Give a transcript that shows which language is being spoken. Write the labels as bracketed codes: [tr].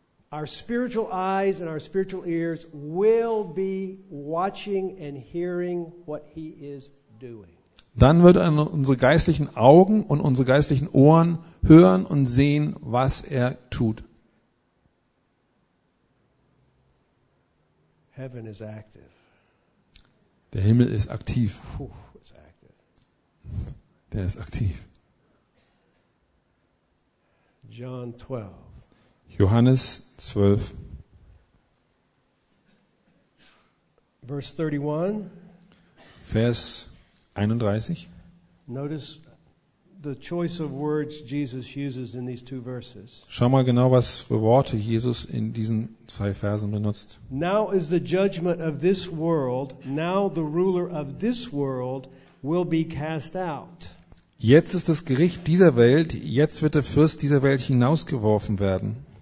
[en] Our spiritual eyes and our spiritual ears will be watching and hearing what he is doing. [de] Dann wird unsere geistlichen Augen und unsere geistlichen Ohren hören und sehen, was er tut. [en] Heaven is active. [de] Der Himmel ist aktiv. [en] It's active. [de] Der ist aktiv. [en] John 12. [de] Johannes 12. [en] Verse 31. [de] Vers 31. [en] Notice the choice of words Jesus uses in these two verses. [de] Schau mal genau, was für Worte Jesus in diesen zwei Versen benutzt. [en] Now is the judgment of this world. Now the ruler of this world will be cast out. [de] Jetzt ist das Gericht dieser Welt. Jetzt wird der Fürst dieser Welt hinausgeworfen werden.